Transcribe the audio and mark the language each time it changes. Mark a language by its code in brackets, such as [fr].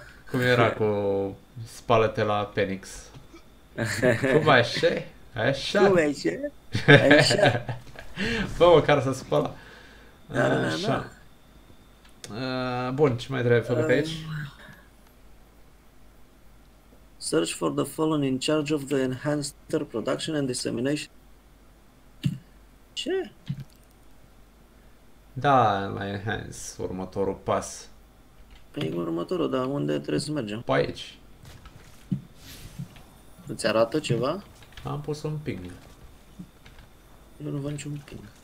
[ro] Cum era cu spală-te la Penix? Cum așa? Așa? Cum așa? Așa? Bă, măcar s-a spălat. Așa. Bun, ce mai trebuie făcut aici? [en] Search for the fallen in charge of the enhanced production and dissemination. [ro] Ce? Da, la enhance, următorul pas. E următorul, dar unde trebuie să mergem? Pe aici. Îți arată ceva? Am pus un ping. Eu nu văd niciun ping.